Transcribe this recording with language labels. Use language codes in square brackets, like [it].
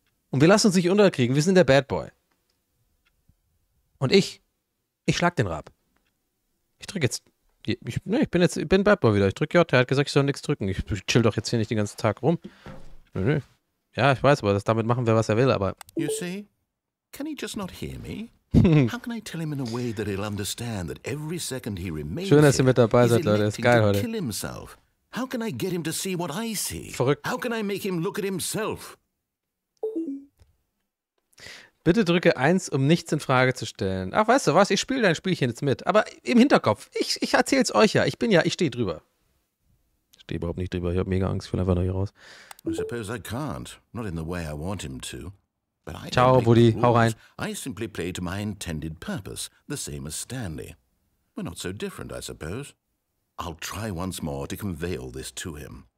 [de] Und wir lassen uns nicht unterkriegen. Wir sind der Bad Boy. Und ich schlag den Raab. Ich drück jetzt. Ich bin Bad Boy wieder. Ich drück J. Er hat gesagt, ich soll nichts drücken. Ich chill doch jetzt hier nicht den ganzen Tag rum. Nö. Ja, ich weiß, aber das, damit machen wir, was er will, aber. [en] You see? Can he just not hear me? How can I tell him in a way that he'll understand that every second he remains. [de] Schön, dass ihr mit dabei seid, Leute. Ist geil heute. [en] Kill himself. How can I get him to see what I see? [de] Verrückt. [en] How can I make him look at himself? [de] Bitte drücke 1, um nichts in Frage zu stellen. Ach, weißt du was, ich spiele dein Spielchen jetzt mit. Aber im Hinterkopf, ich erzähl's euch ja. Ich bin ja, ich stehe drüber. Ich stehe überhaupt nicht drüber, ich habe mega Angst, ich will einfach nur hier raus. [en] I suppose I can't, not in the way I want him to. But I [de] Ciao, Woody, hau rein. [en] I simply play to my intended purpose, the same as Stanley. We're not so different, I suppose. I'll try once more to convey all this to him.